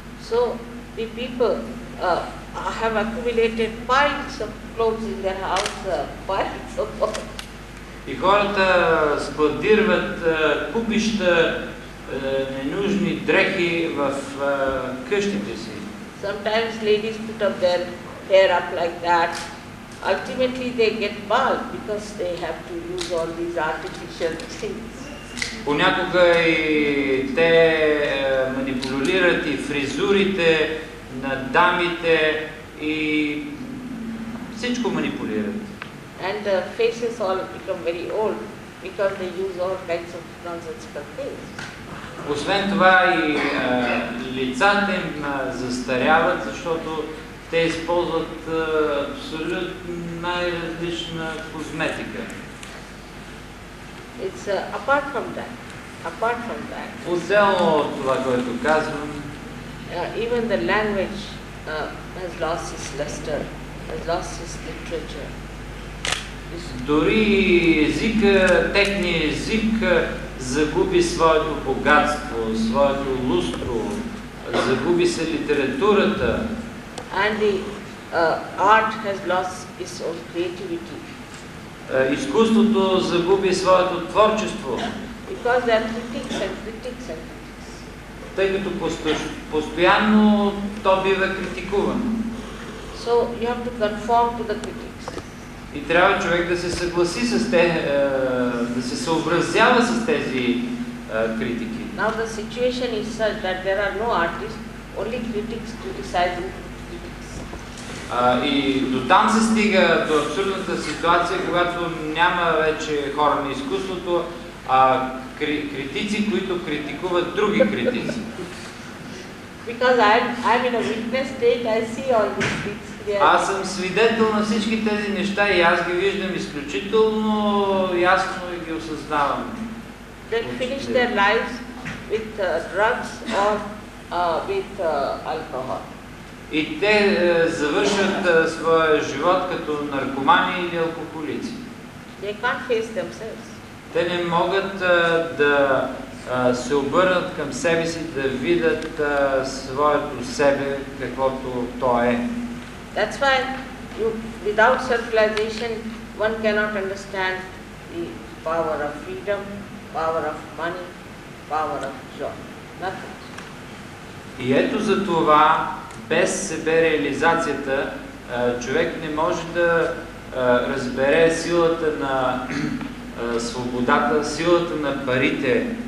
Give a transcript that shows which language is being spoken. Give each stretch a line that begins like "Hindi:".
English: So the people have accumulated piles of clothes in their house, piles of clothes.
Bulgarian: И хората складират купища ненужни дрехи в къщите си.
English: Sometimes ladies put up their hair up like that. Ultimately they get bald because they have to use all these artificial things.
Bulgarian: Понякога и те манипулират и фризурите на дамите и всичко манипулират.
English: And the faces all become very old because they use all kinds of nonsensical things.
Bulgarian: Освен това и лицата им застаряват, защото те използват абсолютно най-различна козметика.
English: It's apart from that. Apart from that.
Bulgarian: Отделно от това, което казвам.
English: Even the language has lost its luster, has lost its literature.
Bulgarian: Дори езика, техния език загуби своето богатство, своето лустро, загуби се литературата.
English: And the art has lost its own creativity.
Bulgarian: Изкуството загуби своето творчество.
English: Because there are critics and critics and critics.
Bulgarian: Тъй като постоянно то бива критикувано.
English: So you have to conform to the critics.
Bulgarian: И трябва човек да се съгласи с те, да се съобразява с тези критики.
English: Now the situation is such that there are no artists, only critics criticizing critics.
Bulgarian: И до там се стига до абсурдната ситуация, когато няма вече хора на изкуството, а критици, които критикуват други критици.
English: Because I'm in a witness state, I see all these things.
Bulgarian: Аз съм свидетел на всички тези неща и аз ги виждам изключително ясно и ги осъзнавам.
English: They finish their lives with drugs or with alcohol.
Bulgarian: И те завършват своя живот като наркомани или алкохолици.
English: They can't face themselves.
Bulgarian: Те не могат да се обърнат към себе си, да видят своето себе, каквото то е.
English: That's why you, without self-realization, one cannot understand the power of freedom, power of money, power of joy. Nothing.
Bulgarian: И ето за това, без себе реализацията, човек не може да разбере силата на свободата, силата на парите.